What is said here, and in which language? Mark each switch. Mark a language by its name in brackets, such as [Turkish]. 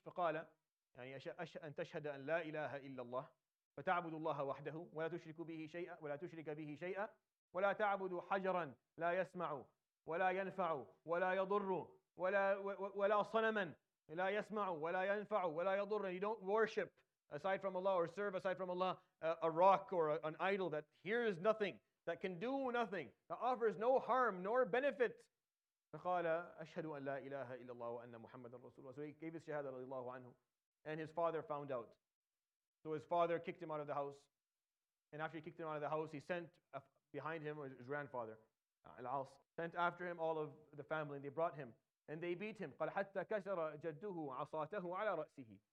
[Arabic] فَقَالَ أَنْ تَشْهَدَ أَنْ لَا إِلَهَ إِلَّا اللَّهِ فَتَعْبُدُ اللَّهَ وَحْدَهُ وَلَا تُشْرِكُ بِهِ شَيْئًا وَلَا تُشْرِكَ بِهِ شَيْئًا وَلَا تَعْبُدُ حَجَرًا لَا يَسْمَعُ وَلَا يَنْفَعُ وَلَا يَضُرُّ وَلَا صَنَمًا لَا يَسْمَعُ وَلَا يَنْفَعُ وَلَا يَضُرُّ. [English] You don't worship aside from Allah or serve aside from Allah a rock or an idol that hears nothing, that can do nothing, that offers no harm nor benefit. [Arabic] فَقَالَ أَشْهَدُ أَنْ لَا إِلَهَ إِلَّا اللَّهُ وَأَنَّ مُحَمَّدًا رَسُولُ اللَّهِ. [English] So he gave his shahada radiallahu anhu. And his father found out. So his father kicked him out of the house. And after he kicked him out of the house, he sent behind him, or his grandfather, Al-As, sent after him all of the family, and they brought him. And they beat him. [Arabic] قَالَ حَتَّى كَسَرَ جَدُّهُ عَصَاتَهُ عَلَى رَأْسِهِ.